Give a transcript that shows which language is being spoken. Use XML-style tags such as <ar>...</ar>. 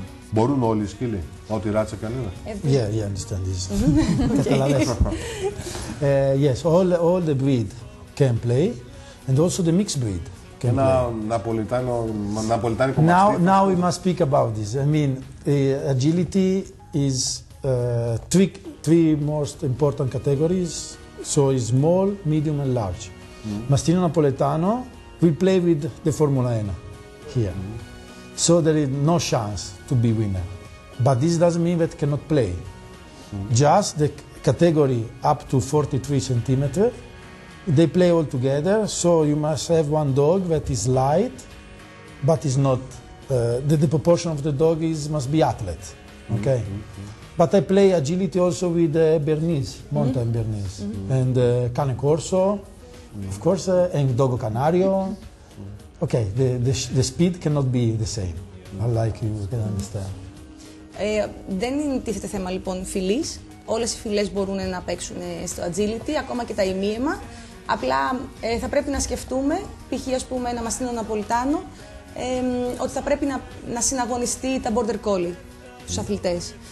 <el>Μπορούν όλοι οι σκύλοι, ό,τι ράτσα κανένα.</el> <en>Yeah, yeah, understand this.</en> <el>Καταλαβαίνεις.</el> <en>Yes, all the breed can play and also the mixed breed.</en> <el>Ένα Ναπολιτάνο, Ναπολιτάνικο μαστί.</el> <en>Now we must speak about this. I mean, agility is three most important categories. So it's small, medium and large. Mm-hmm. Mastino Napoletano will play with the Formula 1 here. Mm-hmm. So there is no chance to be winner. But this doesn't mean that cannot play. Mm-hmm. Just the category up to 43 centimeters. They play all together, so you must have one dog that is light, but is not the proportion of the dog is must be athlete, okay? Mm-hmm. But I play agility also with Bernese, mountain mm-hmm. Bernese, mm-hmm. and Cane Corso, mm-hmm. of course, and Dogo Canario. Mm-hmm. Okay, the speed cannot be the same, unlike you can understand.</en> <el>Δεν είναι τίθεται θέμα λοιπόν φυλής. Όλες οι φυλές μπορούν να παίξουν στο agility, ακόμα και τα ημίεμα. Απλά θα πρέπει να σκεφτούμε, π.χ. ας πούμε ένα Μαστίνο Ναπολιτάνο, ότι θα πρέπει να συναγωνιστεί τα Border Collie, τους αθλητές.</el>